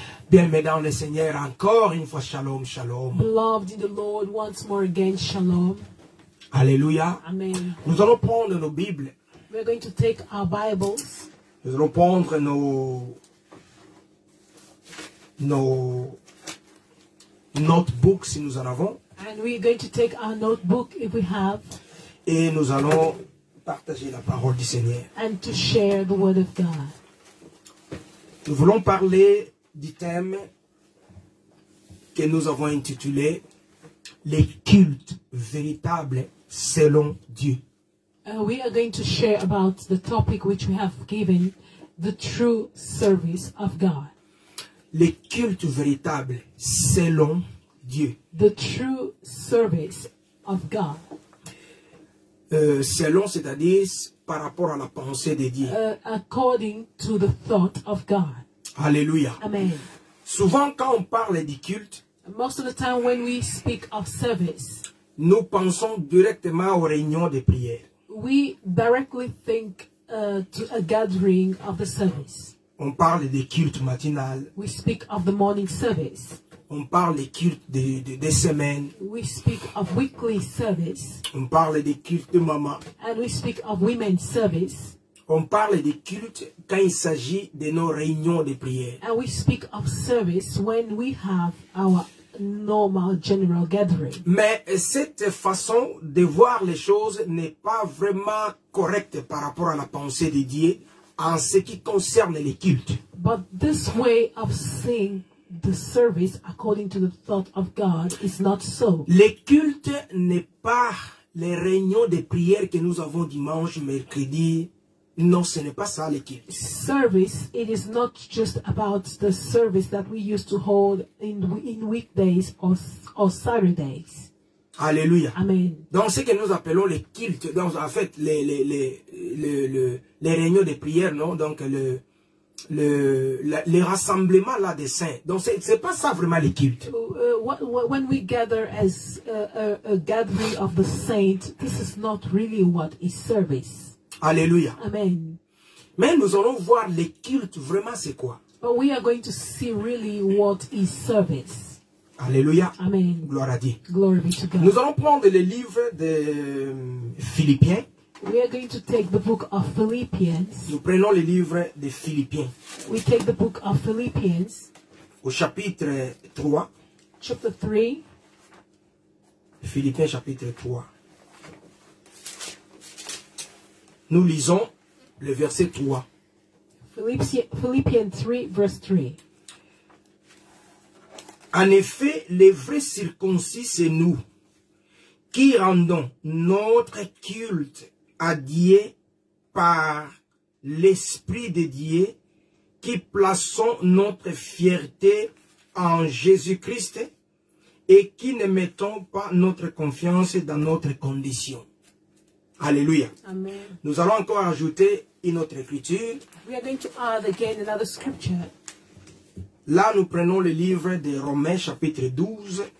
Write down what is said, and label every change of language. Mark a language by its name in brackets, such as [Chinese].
[French] Bienvenue dans le Seigneur encore une fois. [Hebrew] Shalom, shalom. [English] Beloved in the Lord, once more again, shalom. Alléluia. Amen. [French] Nous allons prendre nos Bibles. [English] We're going to take our Bibles. [French] Nous allons prendre nos notebooks si nous en avons. [English] And we're going to take our notebook if we have. [French] Et nous allons partager la parole du Seigneur. [English] And to share the word of God. [French] Nous voulons parler du thème que nous avons intitulé les cultes véritables selon Dieu. [English] We are going to share about the topic which we have given, the true service of God. [French] Le culte véritable selon Dieu. [English] The true service of God. [French] Selon, c'est-à-dire par rapport à la pensée de Dieu. [English] According to the thought of God. Alléluia. Amen. [French] Souvent, quand on parle du culte, [English] most of the time when we speak of service, [French] nous pensons directement aux réunions de prière. [English] We directly think to a gathering of the service. [French] On parle des cultes matinales. [English] We speak of the morning service. [French] On parle des cultes des semaines. [English] We speak of weekly service. [French] On parle des cultes de maman. [English] And we speak of women's service. [French] On parle des cultes quand il s'agit de nos réunions de prière. [English] And we speak of service when we have our normal general gathering. [French] Mais cette façon de voir les choses n'est pas vraiment correcte par rapport à la pensée de Dieu en ce qui concerne les cultes. [English] But this way of seeing the service according to the thought of God is not so. [French] Les cultes n'est pas les réunions de prière que nous avons dimanche, mercredi. Non, ce n'est pas ça les cultes. [English] Service, it is not just about the service that we used to hold in weekdays or Saturdays. Alléluia. Amen. [French] Donc ce que nous appelons les cultes, donc en fait les réunions de prière, non, donc les rassemblements là des saints. Donc c'est pas ça vraiment les cultes. [English] When we gather as a gathering of the saints, this is not really what is service. Alléluia. Amen. [French] Mais nous allons voir les cultes vraiment c'est quoi. [English] But we are going to see really what is service. Alléluia. Amen. [French] Gloire à Dieu. [English] Glory be to God. [French] Nous allons prendre le livre de Philippiens. [English] We are going to take the book of Philippians. [French] Nous prenons le livre de Philippiens. [English] We take the book of Philippians. [French] Au chapitre 3. [English] Chapter 3. [French] Philippiens chapitre 3. Nous lisons le verset 3. Philippiens 3, verset 3. En effet, les vrais circoncis, c'est nous qui rendons notre culte à Dieu par l'Esprit de Dieu, qui plaçons notre fierté en Jésus-Christ et qui ne mettons pas notre confiance dans notre condition. Alléluia. Amen. Nous allons encore ajouter une autre écriture. [English] We are going to add again another scripture. [French] Là, nous prenons le livre de Romains, chapitre 12.